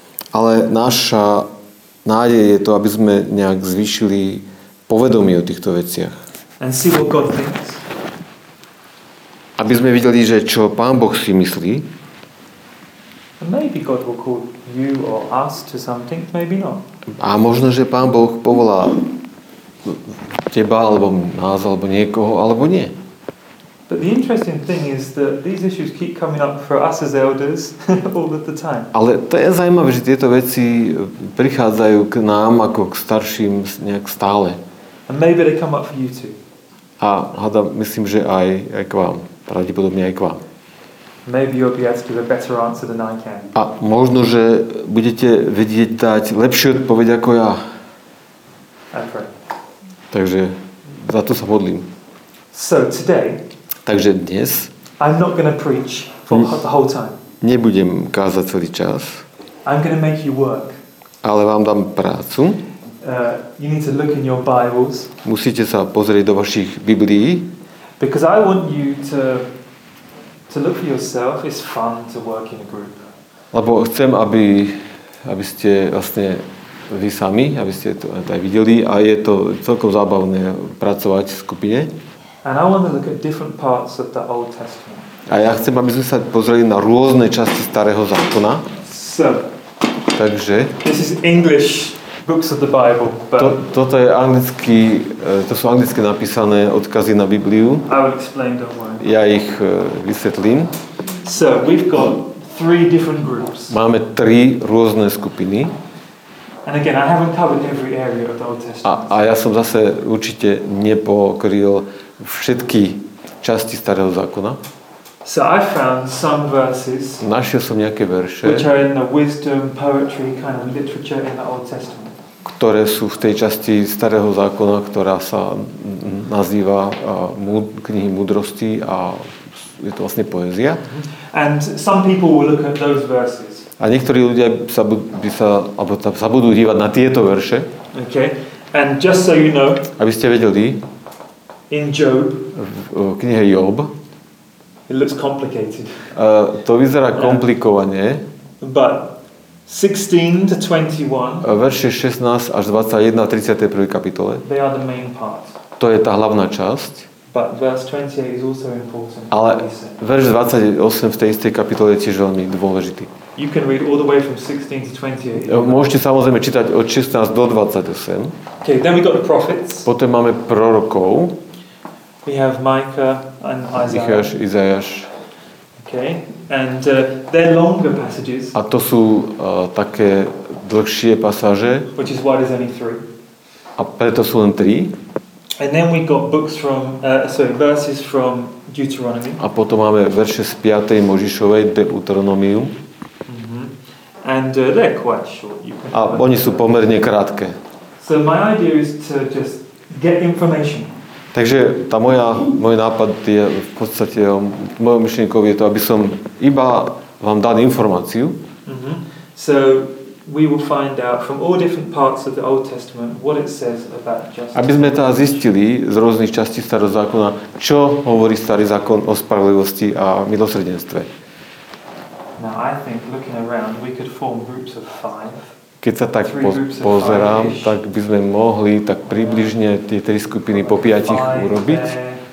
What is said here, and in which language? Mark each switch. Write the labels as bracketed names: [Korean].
[Slovak] Ale naša nádej je to, aby sme nejak zvýšili povedomie o týchto veciach. Aby sme videli, že čo Pán Boh si myslí. [English] Maybe God will call you or us to something, maybe not. [Slovak] A možno, že Pán Boh povolá teba, alebo nás, alebo niekoho, alebo nie. [English] But the interesting thing is that these issues keep coming up for us as elders all of the time. [Slovak] Ale to je zaujímavé, že tieto veci prichádzajú k nám ako k starším nejak stále. [English] And maybe they come up for you too. [Slovak] A hada, myslím, že aj k vám. Pravdepodobne aj k vám. [English] Maybe you'll be able to give a better answer than I can. [Slovak] A možno, že budete vedieť dať lepšie odpoveď ako ja. [English] I pray. [Slovak] Takže za to sa modlím. [English] So today, [Slovak] takže dnes [English] I'm not gonna preach for the whole time. [Slovak] Nebudem kázať celý čas. [English] I'm gonna make you work. [Slovak] Ale vám dám prácu. [English] You need to look in your Bibles. [Slovak] Musíte sa pozrieť do vašich Biblií. [English] Because I want you to look for yourself. It's fun to work in a group. [Slovak] Lebo chcem, aby ste vlastne vy sami, aby ste to aj videli, a je to celkom zábavné pracovať v skupine. [English] And I want to look at different parts of the Old Testament. [Slovak] A ja chcem, aby sme sa pozreli na rôzne časti Starého zákona. [English] So, [Slovak] takže [English] this is English books of the Bible. But [Slovak] toto je anglicky, to sú anglicky napísané odkazy na Bibliu. [English] I will explain, don't worry. [Slovak] Ja ich vysvetlím. [English] So, we've got three different groups. [Slovak] Máme tri rôzne skupiny. [English] And again, I haven't covered every area of the Old Testament. [Slovak] A ja som zase určite nepokryl všetky časti Starého zákona. [English] So I found some verses. [Slovak] Našiel som nejaké verše, [English] which are in the wisdom, poetry kind of literature in the Old Testament. [Slovak] Ktoré sú v tej časti Starého zákona, ktorá sa nazýva knihy múdrosti, a je to vlastne poézia. [English] And some people will look at those verses. [Slovak] A niektorí ľudia sa budú dívať na tieto verše. [English] Okay. And just so you know, [Slovak] aby ste vedeli, [English] in Job, [Slovak] v knihe Job, [English] it looks complicated. [Slovak] To vyzerá komplikovane. [English] But 16 to 21. [Slovak] Verše 16 až 21 31. kapitole. [English] They are the main part. [Slovak] To je tá hlavná časť. [English] But verse 28 is also important. [Slovak] Ale verš 28 v tej istej kapitole je tiež veľmi dôležitý. [English] You can read all the way from 16 to 28. [Slovak] Môžete samozrejme čítať od 16 do 28. [English] Okay, then we got the prophets. [Slovak] Potom máme prorokov. [English] We have Micah and Isaiah. [Slovak] Izaiáš. [English] Okay. And they're longer passages. [Slovak] A to sú také dlhšie pasáže. [English] Which is why there's only three. [Slovak] A preto sú len tri. [English] And then we got books from verses from Deuteronomy. [Slovak] A potom máme verše z 5. Mojžišovej, Deuteronomium. [English] And they're quite short. You can. [Slovak] A oni sú pomerne krátke. [English] So my idea is to just get information. [Slovak] Takže tá môj nápad je v podstate, mojou myšlienkou je to, aby som iba vám dal informáciu. Mm-hmm. [English] So we will find out from all different parts of the Old Testament what it says about justice. [Slovak] Aby sme teda zistili z rôznych častí Starého zákona, čo hovorí Starý zákon o spravodlivosti a milosrdenstve. [English] Now I think looking around we could form groups of five. [Slovak] Keď sa tak pozerám, tak by sme mohli tak približne tie tri skupiny po piatich urobiť.